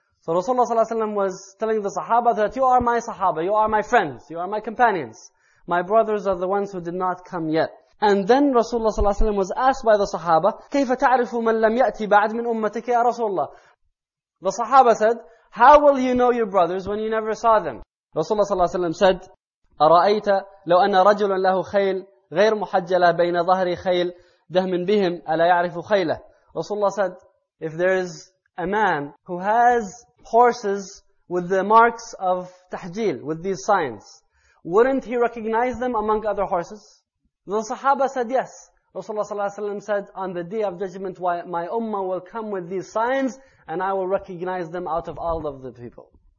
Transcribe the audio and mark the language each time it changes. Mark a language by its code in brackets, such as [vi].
[en] So Rasulullah sallallahu alaihi wasallam was telling the Sahaba that you are my Sahaba, you are my friends, you are my companions. My brothers are the ones who did not come yet. And then Rasulullah sallallahu alaihi wasallam was asked by the Sahaba, [ar] كيف تعرف من لم يأتي بعد من أمتك يا رسول الله? [en] The Sahaba said, how will you know your brothers when you never saw them? Rasulullah sallallahu alaihi wasallam said, [ar] أرأيت لو أن رجلا له خيل غير محجلة بين ظهر خيل دهم بهم ألا يعرف خيله. [en] Rasulullah said, if there is a man who has horses with the marks of تحجيل, with these signs, wouldn't he recognize them among other horses? The Sahaba said, yes. Rasulullah صلى الله عليه وسلم said, on the day of judgment, my ummah will come with these signs and I will recognize them out of all of the people.